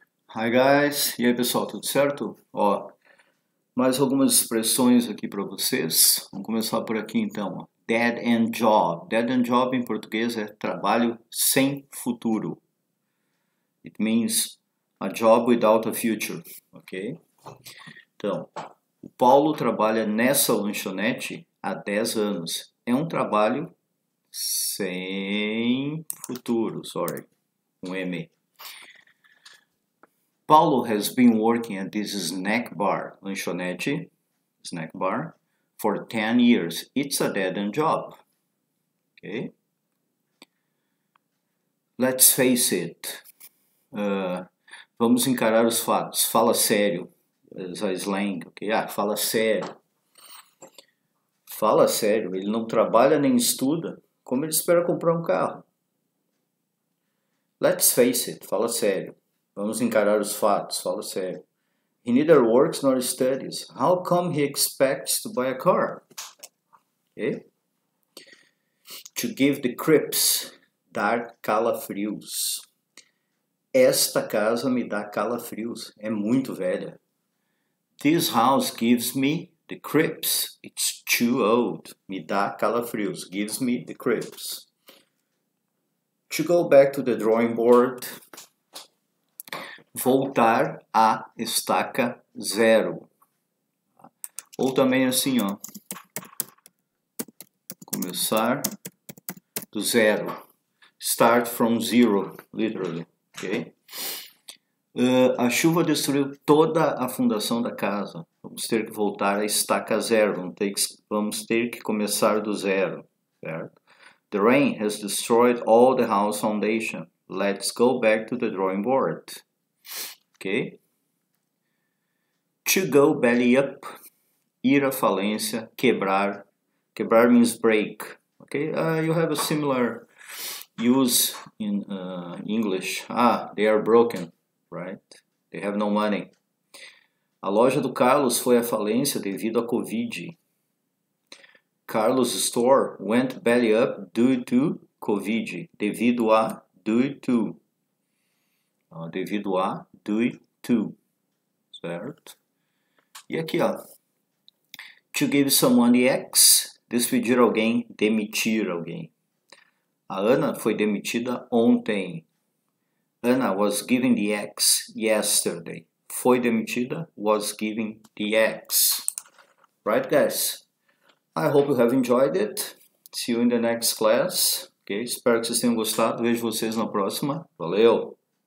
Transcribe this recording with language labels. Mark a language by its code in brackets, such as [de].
[en] Hi guys, [pt] e aí pessoal, tudo certo? Ó, mais algumas expressões aqui para vocês. Vamos começar por aqui então. [en] Dead end job. [pt] Dead end job em português é trabalho sem futuro. [en] It means a job without a future, ok? [pt] Então, o Paulo trabalha nessa lanchonete há 10 anos. É um trabalho sem futuro, [en] sorry, [pt] um M. [en] Paulo has been working at this snack bar, lanchonete, snack bar, for 10 years. It's a dead-end job. Okay? Let's face it. [pt] Vamos encarar os fatos. Fala sério. [en] As a slang, okay? [pt] Ah, fala sério. Fala sério. Ele não trabalha nem estuda. Como ele espera comprar um carro? [en] Let's face it. [pt] Fala sério. Vamos encarar os fatos, fala sério. [en] He neither works nor studies. How come he expects to buy a car? Okay. To give the creeps, [pt] dar calafrios. Esta casa me dá calafrios, é muito velha. [en] This house gives me the creeps, it's too old. [pt] Me dá calafrios, [en] gives me the creeps. To go back to the drawing board. [pt] Voltar à estaca zero. Ou também assim, ó. Começar do zero. [en] Start from zero, literally. Okay? [pt] A chuva destruiu toda a fundação da casa. Vamos ter que voltar à estaca zero. Vamos ter que começar do zero. Certo? [en] The rain has destroyed all the house foundation. Let's go back to the drawing board. Okay. To go belly up, [pt] ir à falência, quebrar. [en] Quebrar means break. Okay? You have a similar use in English. Ah, they are broken, right? They have no money. [pt] A loja do Carlos foi à falência devido à Covid. [en] Carlos' store went belly up due to Covid. [pt] Devido a, [en] due to. Devido a, due to. [pt] To, certo? E aqui, ó. [en] To give someone the axe, [pt] despedir alguém, demitir alguém. A Ana foi demitida ontem. [en] Ana was given the axe yesterday. [pt] Foi demitida, [en] was given the axe. Right, guys? I hope you have enjoyed it. See you in the next class. Okay? [pt] Espero que vocês tenham gostado. Vejo vocês na próxima. Valeu!